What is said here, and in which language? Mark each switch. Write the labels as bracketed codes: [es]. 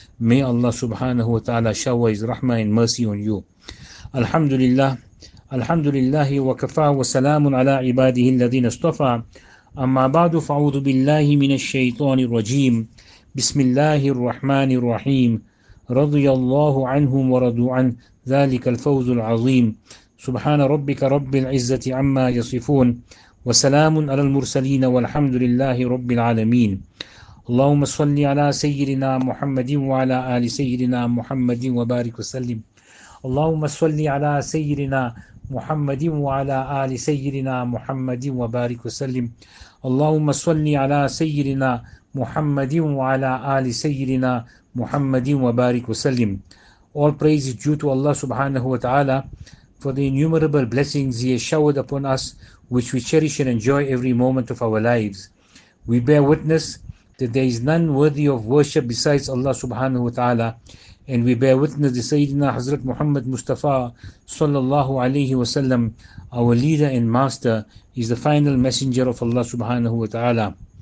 [en] May Allah سبحانه وتعالى shower his rahmah and mercy on you. [ar] الحمد لله الحمد لله وكفى وسلام على عباده الذين اصطفى. أما بعد فأعوذ بالله من الشيطان الرجيم. بسم الله الرحمن الرحيم. رضي الله عنهم ورضوا عن ذلك الفوز العظيم. سبحان ربك رب العزة عما يصفون وسلام على المرسلين والحمد لله رب العالمين. اللهم صل على سيدنا محمد وعلى آل سيدنا محمد وبارك وسلم. اللهم صل على سيدنا محمد وعلى آل سيدنا محمد وبارك وسلم. اللهم صل على سيدنا محمد وعلى آل سيدنا محمد وبارك وسلم. [en] All praise is due to Allah subhanahu wa ta'ala for the innumerable blessings He has showered upon us, which we cherish and enjoy every moment of our lives. We bear witness that there is none worthy of worship besides Allah subhanahu wa ta'ala, and we bear witness that Sayyidina Hazrat Muhammad Mustafa sallallahu alayhi wa sallam, our leader and master, is the final messenger of Allah subhanahu wa ta'ala.